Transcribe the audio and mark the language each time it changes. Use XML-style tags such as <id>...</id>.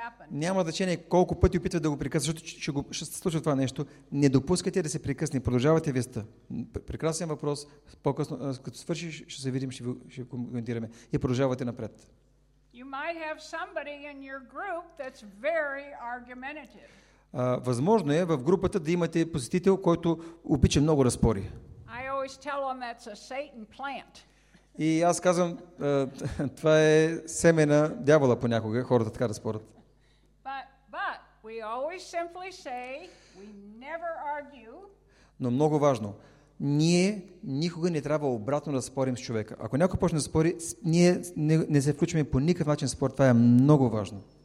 <bg>Няма значение колко пъти опитват да го прекъснат, защото ще случва това нещо. Не допускайте да се прекъсне. Продължавайте веста. Прекрасен въпрос. По-късно, като свършиш, ще се видим, ще коментираме. И продължавайте напред.</bg> <en>You might have somebody in your group that's very argumentative.</en> <bg>Възможно е в групата да имате посетител, който обича много да спори.</bg> <en>I always tell them that's a Satan plant.</en> <bg>И аз казвам, това е семе на дявола понякога, хората така да спорят.</bg> <en>But we always simply say we never argue.</en> <bg>Но много важно. Ние никога не трябва обратно да спорим с човека. Ако някой почне да спори, ние не се включваме по никакъв начин в спор. Това е много важно.</bg>